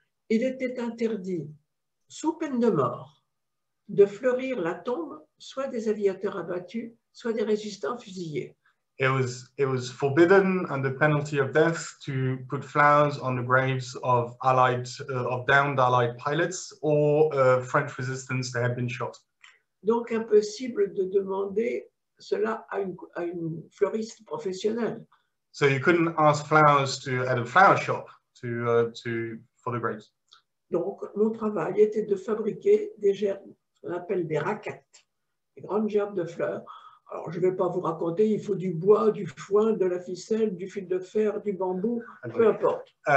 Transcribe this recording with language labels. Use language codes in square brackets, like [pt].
[fr] Il était interdit, sous peine de mort, de fleurir la tombe, soit des aviateurs abattus, soit des résistants fusillés. [en] It was forbidden under penalty of death to put flowers on the graves of downed Allied pilots or French resistance that had been shot. [fr] Donc impossible de demander cela à une fleuriste professionnelle. [en] So you couldn't ask flowers at a flower shop to for the graves. [fr] Donc mon travail était de fabriquer des gerbes, qu'on appelle des raquettes, des grandes gerbes de fleurs. Alors je ne vais pas vous raconter, il faut du bois, du foin, de la ficelle, du fil de fer, du bambou, peu importe.